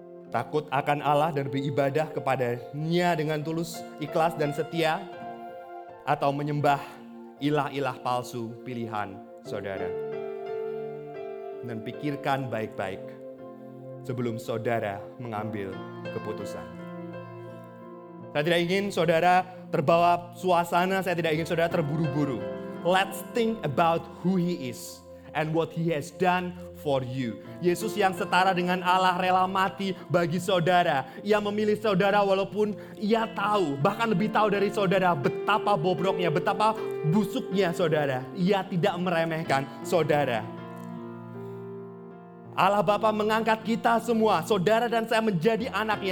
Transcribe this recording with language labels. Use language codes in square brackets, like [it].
[id] Takut akan Allah dan beribadah kepada-Nya dengan tulus, ikhlas dan setia, atau menyembah ilah-ilah palsu pilihan saudara. Dan pikirkan baik-baik sebelum saudara mengambil keputusan. Saya tidak ingin saudara terbawa suasana, saya tidak ingin saudara terburu-buru. [en] Let's think about who he is and what he has done for you. [id] Yesus yang setara dengan Allah rela mati bagi saudara. Ia memilih saudara walaupun ia tahu, bahkan lebih tahu dari saudara betapa bobroknya, betapa busuknya saudara. Ia tidak meremehkan saudara. Allah Bapa mengangkat kita semua, saudara dan saya menjadi anaknya.